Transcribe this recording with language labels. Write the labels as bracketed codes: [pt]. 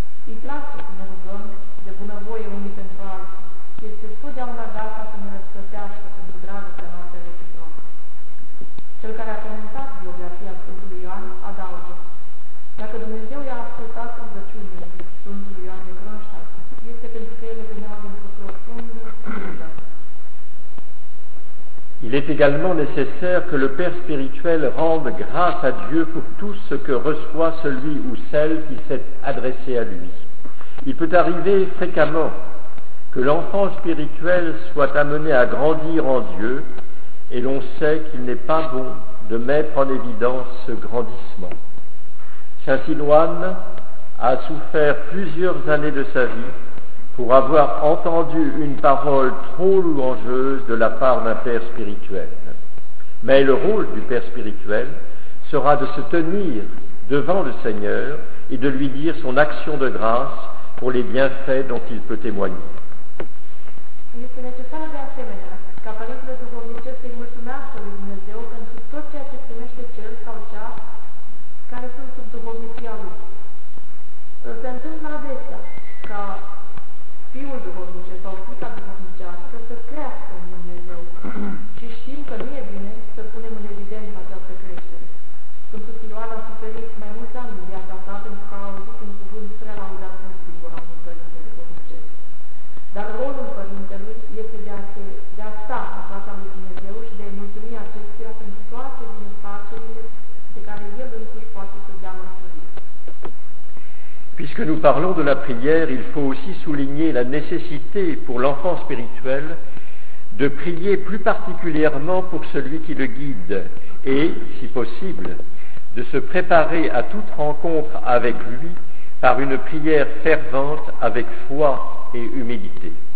[ro] Îi place să ne rugăm de bunăvoie unii pentru alții și este totdeauna gata să ne răsplătească pentru dragostea noastră reciprocă. Cel care a comentat biografia Sfântului Ioan adaugă: Dacă Dumnezeu i-a ascultat rugăciunile Sfântului Ioan de Kronstadt, este pentru că ele veneau dintr-o profundă frică. [fr] Il est également nécessaire que le Père spirituel rende grâce à Dieu pour tout ce que reçoit celui ou celle qui s'est adressé à lui. Il peut arriver fréquemment que l'enfant spirituel soit amené à grandir en Dieu, et l'on sait qu'il n'est pas bon de mettre en évidence ce grandissement. Saint Siloane a souffert plusieurs années de sa vie pour avoir entendu une parole trop louangeuse de la part d'un père spirituel. Mais le rôle du père spirituel sera de se tenir devant le Seigneur et de lui dire son action de grâce pour les bienfaits dont il peut témoigner. Il est nécessaire de [ro] asemenea ca părintele duhovnicesc să-i mulțumească lui Dumnezeu pentru tot ceea ce primește cel sau cea care sunt sub duhovnicia lui. Se întâmplă adesea ca fiul duhovnice sau fica duhovnicească să crească în Dumnezeu. Și știm că nu e bine să punem în evidență această creștere. Sfântul Siloan a suferit mai mulți ani în viața sa pentru că a auzit un cuvânt prea laudat în figura unui părinte duhovnicesc. Dar rolul părintelui este de a sta în fața lui Dumnezeu și de a-i mulțumi acestuia pentru toate binefacerile de care el însuși poate să dea mărturie. [fr] Puisque nous parlons de la prière, il faut aussi souligner la nécessité pour l'enfant spirituel de prier plus particulièrement pour celui qui le guide et, si possible, de se préparer à toute rencontre avec lui par une prière fervente avec foi et humilité.